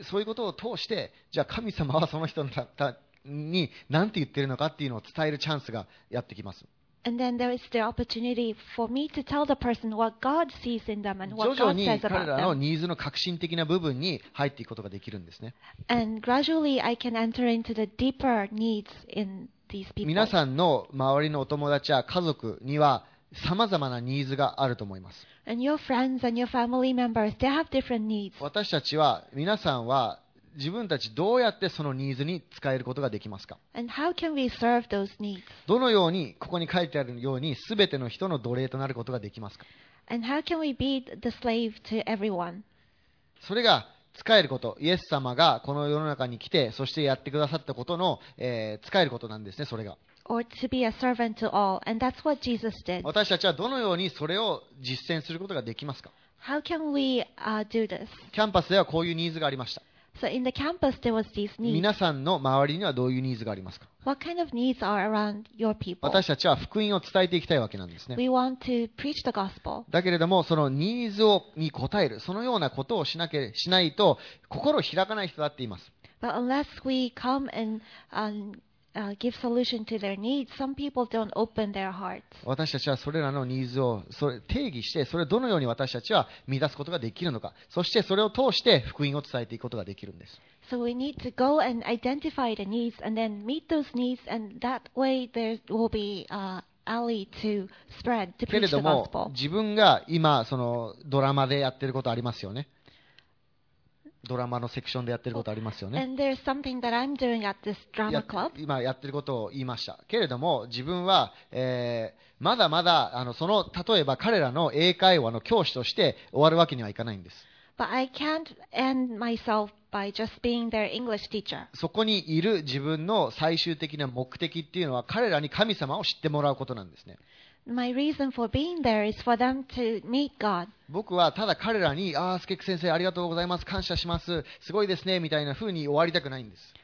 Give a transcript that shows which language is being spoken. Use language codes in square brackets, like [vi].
[ja] そういうことを通して、じゃあ神様はその人に何て言ってるのかっていうのを伝えるチャンスがやってきます。 [en] And then there is the opportunity for me to tell the person what God sees in them and what God says about them. [ja] 徐々に彼らのニーズの革新的な部分に入っていくことができるんですね。 [en] And gradually I can enter into the deeper needs in these people. [ja] 皆さんの周りのお友達や家族には様々なニーズがあると思います。 [en] And your friends and your family members, they have different needs. [ja] 私たちは、皆さんは自分たちどうやってそのニーズに使えることができますか。 [en] And how can we serve those needs? [ja] どのようにここに書いてあるようにすべての人の奴隷となることができますか。 [en] And how can we be the slave to everyone? [ja] それが使えること、イエス様がこの世の中に来てそしてやってくださったことの、使えることなんですね。それが私たちはどのようにそれを実践することができますか。 [en] How can we, do this? [ja] キャンパスではこういうニーズがありました。 [en] So in the campus, there was these needs. [ja] 皆さんの周りにはどういうニーズがありますか。 [en] What kind of needs are around your people? [ja] 私たちは福音を伝えていきたいわけなんですね。 [en] We want to preach the gospel. [ja] だけれどもそのニーズに応える、そのようなことをしないと心を開かない人だっています。 [en] But unless we come and give solution to their needs, some people don't open their hearts. [ja] 私たちはそれらのニーズをそれ定義して、それをどのように私たちは満たすことができるのか、そしてそれを通して福音を伝えていくことができるんです。 [en] So we need to go and identify the needs and then meet those needs, and that way there will be alley to spread to preach the gospel. [ja] けれども自分が今そのドラマでやってることありますよね。ドラマのセクションでやってることありますよね。 [en] And there's something that I'm doing at this drama club. [ja] 今やってることを言いましたけれども、自分は、まだまだあのその例えば彼らの英会話の教師として終わるわけにはいかないんです。 [en] But I can't end myself by just being their English teacher. [ja] そこにいる自分の最終的な目的っていうのは彼らに神様を知ってもらうことなんですね。 [en] My reason for being there is for them to meet God. [ja] 僕はただ彼らに、ああ、スケック先生ありがとうございます、感謝します、すごいですねみたいな風に終わりたくないんです。